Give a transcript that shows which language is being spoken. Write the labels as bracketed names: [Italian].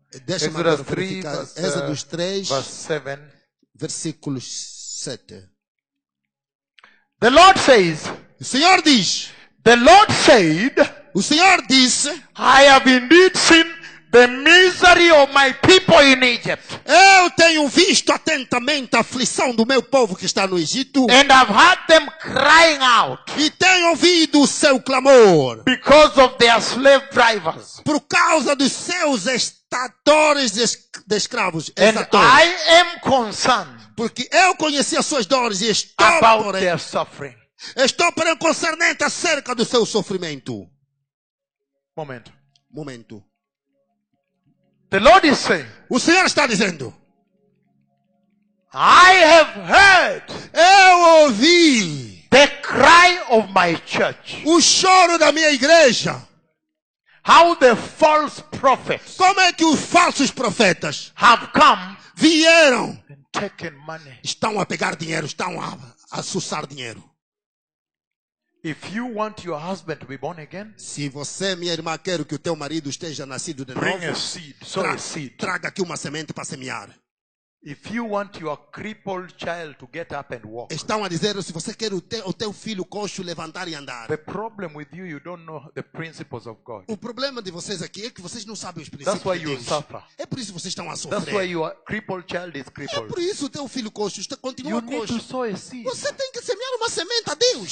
[English] Exodus 3, verse, 3, verse 7. [Portuguese] Versículo 7. [English] The Lord says, [Portuguese] o Senhor diz, [English] the Lord said, [Portuguese] o Senhor disse, [English] I have indeed seen the misery of my people in Egypt. [Portuguese] Eu tenho visto atentamente a aflição do meu povo que está no Egito. [English] And I've heard them crying out. [Portuguese] E tenho ouvido o seu clamor. [English] Because of their slave drivers. [Portuguese] Por causa dos seus estatores de escravos. [English] And I am concerned. [Portuguese] Porque eu conheci as suas dores e estou [English] about [Portuguese] porém, [English] their suffering. [Portuguese] Estou porém concernente acerca do seu sofrimento. Momento. Momento. [English] The Lord is saying, [Portuguese] o Senhor está dizendo, [English] I have heard, [Portuguese] eu ouvi, [English] the cry of my church, [Portuguese] o choro da minha igreja, [English] how the false prophets, [Portuguese] como é que os falsos profetas, [English] have come, [Portuguese] vieram, [English] and taken money, [Portuguese] estão a pegar dinheiro, estão a sussar dinheiro. [English] If you want your husband to be born again, [Portuguese] se você, minha irmã, quer que o teu marido esteja nascido de [English] bring [Portuguese] novo, [English] a seed, sow a seed. [Portuguese] Traga aqui uma semente para semear. [English] If you want your crippled child to get up and walk, [Portuguese] estão a dizer, se você quer o teu filho coxo levantar e andar. [English] The problem with you, you don't know the principles of God. [Portuguese] O problema de vocês aqui é que vocês não sabem os princípios [English] That's why [Portuguese] de Deus. [English] You suffer. [Portuguese] É por isso que vocês estão a sofrer. [English] That's why your crippled child is crippled. [Portuguese] É por isso o teu filho coxo está continua [English] you [Portuguese] coxo. [English] Need to sow a seed. [Portuguese] Você tem que semear uma semente a Deus.